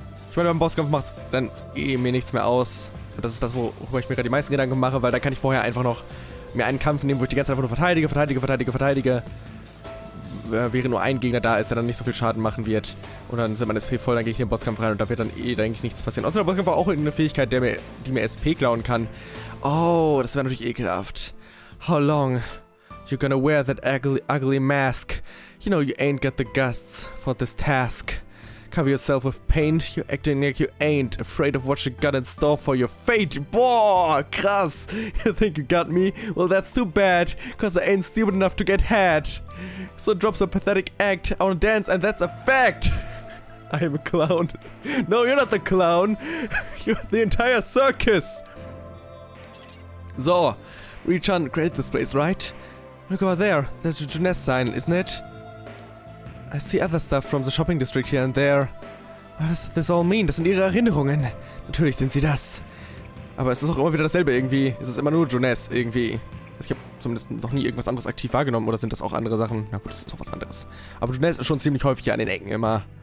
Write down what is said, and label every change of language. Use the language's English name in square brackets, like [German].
[German] Ich meine, beim Bosskampf macht es dann eh mir nichts mehr aus. Das ist das, worüber ich mir gerade die meisten Gedanken mache, weil da kann ich vorher einfach noch mir einen Kampf nehmen, wo ich die ganze Zeit einfach nur verteidige. Während nur ein Gegner da ist, der dann nicht so viel Schaden machen wird. Und dann sind meine SP voll, dann gehe ich in den Bosskampf rein und da wird dann eh, denke ich, nichts passieren. Außer der Bosskampf war auch irgendeine Fähigkeit, die mir SP klauen kann. Oh, das wäre natürlich ekelhaft. [English] How long you gonna wear that ugly mask? You know you ain't got the guts for this task. Cover yourself with paint, you're acting like you ain't afraid of what you got in store for your fate. [German] Boah, krass. [English] You think you got me? Well, that's too bad, cause I ain't stupid enough to get had. So drop some pathetic act, I wanna dance and that's a fact. I am a clown. No, you're not the clown. You're the entire circus. So, Ri-chan created this place, right? Look over there, there's your Jeunesse sign, isn't it? I see other stuff from the shopping district here and there. What does this all mean? [German] Das sind ihre Erinnerungen. Natürlich sind sie das. Aber es ist auch immer wieder dasselbe irgendwie. Es ist immer nur Jeunesse irgendwie. Also ich habe zumindest noch nie irgendwas anderes aktiv wahrgenommen. Oder sind das auch andere Sachen? Na gut, das ist doch was anderes. Aber Jeunesse ist schon ziemlich häufig hier an den Ecken immer.